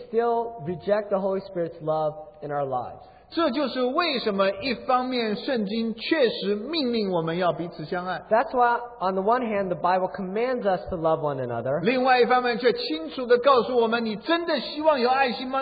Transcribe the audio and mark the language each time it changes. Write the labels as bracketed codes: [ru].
[en] still reject the Holy Spirit's love in our lives. [zh] 这就是为什么一方面圣经确实命令我们要彼此相爱, [en] that's why on the one hand the Bible commands us to love one another, [zh] 另外一方面却清楚地告诉我们你真的希望有爱心吗?